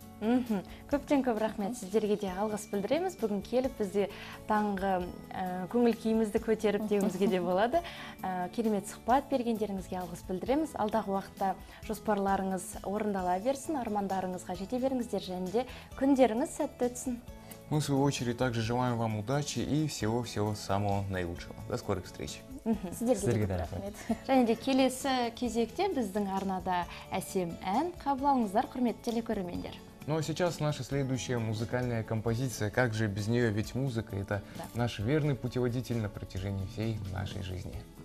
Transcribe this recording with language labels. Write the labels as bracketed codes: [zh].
[kk] Көптен көп рахмет, сіздерге де алғыс білдіреміз. Бүгін келіп бізде таңғы көңіл күйімізді көтеріп деуімізге де болады. Керемет сұхбат бергендеріңізге алғыс білдіреміз. Алдағы уақытта жоспарларыңыз орындала берсін, армандарыңызға жете беріңіздер, және де күндеріңіз сәтті өтсін. [ru] Мы в свою очередь также желаем вам удачи и всего-всего самого наилучшего. До скорых встреч. [kk] Сіздерге де рахмет. Және де келесі кезекте біздің арнада әсем ән қабыл алыңыздар, құрметті телекөрермендер. [ru] Ну а сейчас наша следующая музыкальная композиция. Как же без нее, ведь музыка – это наш верный путеводитель на протяжении всей нашей жизни.